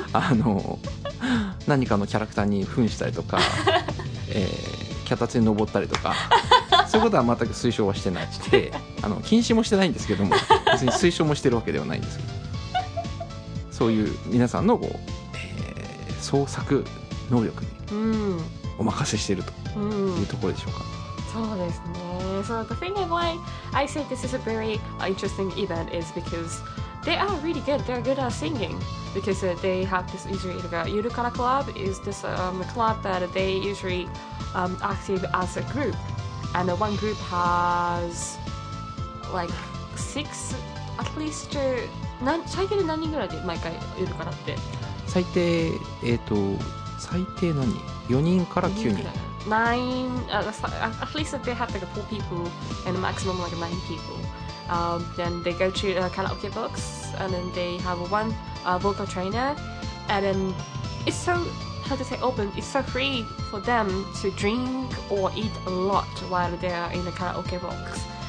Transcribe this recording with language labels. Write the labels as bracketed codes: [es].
[ja] あの何かのキャラクターに扮したりとか、脚立に登ったりとかそういうことは全く推奨はしてなくて、あの禁止もしてないんですけども、別に推奨もしてるわけではないんですけど、そういう皆さんのこう、創作能力にお任せしてるというところでしょうか、 [en] うんうん、So the thing why I say this is a very interesting event is because they are really good. They are good at singing because they have this usually the Yurukara Club is this club that they usually active as a group, and one group has like six at least. [ja] 最低で何人ぐらいで毎回ユルカラって？最低何？四人から九人。 [en] At least they have like four people and a maximum like nine people. Then they go to karaoke box and then they have one vocal trainer. And then it's so, how to say, open, it's so free for them to drink or eat a lot while they are in the karaoke box.